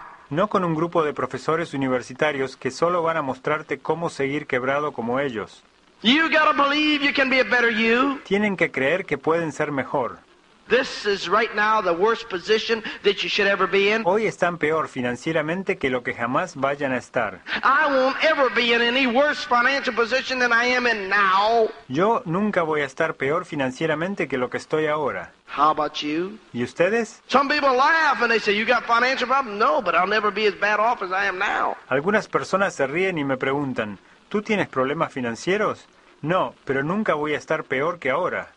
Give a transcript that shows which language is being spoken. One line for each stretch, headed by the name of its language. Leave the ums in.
Spanish: no con un grupo de profesores universitarios que solo van a mostrarte cómo seguir quebrado como ellos.
English: You you can be a you.
Spanish: Tienen que creer que pueden ser mejor.
English: This is right now the worst position that you should ever be in.
Spanish: Hoy están peor financieramente que lo que jamás vayan a estar.
English: I won't ever be in any worse financial position than I am in now.
Spanish: Yo nunca voy a estar peor financieramente que lo que estoy ahora.
English: How about you?
Spanish: ¿Y ustedes?
English: Some people laugh and they say you got financial problems. No, but I'll never be as bad off as I am now.
Spanish: Algunas personas se ríen y me preguntan, ¿tú tienes problemas financieros? No, pero nunca voy a estar peor que ahora.